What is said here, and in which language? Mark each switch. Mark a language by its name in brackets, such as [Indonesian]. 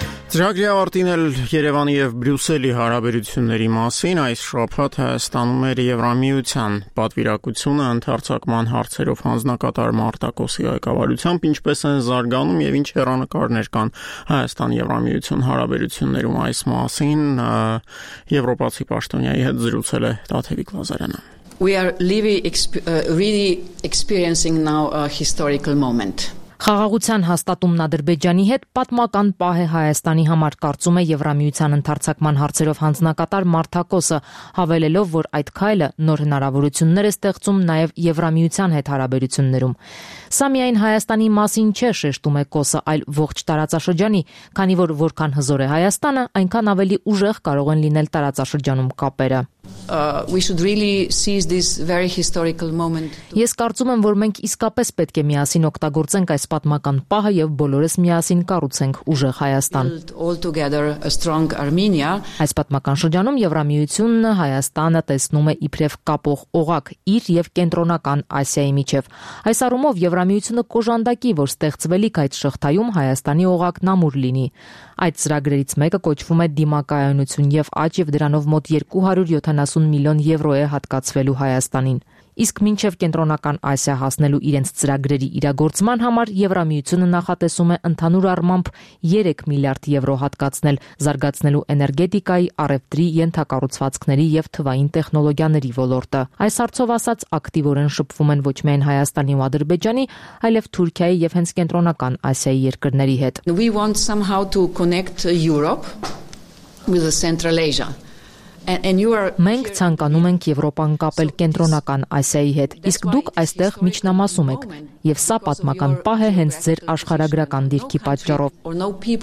[Armenian] Ձրագրի ավարտին էլ Երևանի և Բրյուսելի հարաբերությունների մասին այս շաբաթ Հայաստանում էր Եվրամիության պատվիրակությունը ընդարձակման հարցերով հանձնակատար Մարտակոսի ղեկավարությամբ, ինչպես են զարգանում և ինչ հեռանկարներ կան Հայաստան-Եվրամիություն հարաբերություններում այս մասին, Եվրոպացի պաշտոնյայի հետ զրուցել է Տաթևիկ Լազարյանը։ [English] We are really experiencing now a historical moment. [Armenian] Խաղաղության հաստատումն Ադրբեջանի հետ պատմական պահ է Հայաստանի համար, կարծում է Եվրամիության ընդարձակման հարցերով հանձնակատար Մարտակոսը, հավելելով, որ այդ քայլը նոր հնարավորություններ է ստեղծում նաև Եվրամիության հետ հարաբերություններում։ Սա միայն Հայաստանի մասին չէ, շեշտում է Կոսը, այլ ողջ տարածաշրջանի, քանի որ որքան հզոր է Հայաստանը, այնքան ավելի ուժեղ կարող են լինել տարածաշրջանում կապերը։ [English] We should really seize this very historical moment. [Armenian] Ես կարծում եմ, որ մենք իսկապես պետք է միասին օգտագործենք այս պատմական պահը եւ բոլորս միասին կառուցենք ուժեղ Հայաստան։ Այս պատմական շրջանում Եվրամիությունն Հայաստանը տեսնում է իբրև կապող օղակ իր եւ կենտրոնական Ասիայի միջև։ Այս առումով Եվրամիությունը կոժանդակի, որ ստեղծվելիք այդ շղթայում Հայաստանի օղակն ամուր լինի։ Այդ ծրագրերից մեկը կոչվում է դիմակայունություն եւ աջ եւ դրանով մոտ 270 միլիոն եվրո է հատկացվելու Հայաստանին։ Իսկ մինչև կենտրոնական Ասիա հասնելու իրենց ծրագրերի իրագործման համար Եվրամիությունը նախատեսում է ընդհանուր առմամբ 3 միլիարդ եվրո հատկացնել զարգացնելու էներգետիկայի, առևտրի, ենթակառուցվածքների եւ թվային տեխնոլոգիաների ոլորտը։ Այս հարցով ասած ակտիվորեն շփվում են ոչ միայն Հայաստանի ու Ադրբեջանի, այլև Թուրքիայի եւ հենց կենտրոնական Ասիայի երկրների հետ։ [English] We want somehow to connect Europe with Central Asia. [Armenian] Մենք ցանկանում ենք Եվրոպան կապել կենտրոնական Ասիայի հետ, իսկ դուք այստեղ միջնամասում եք, և սա պատմական պահ է հենց ձեր աշխարհագրական դիրքի պատճառով։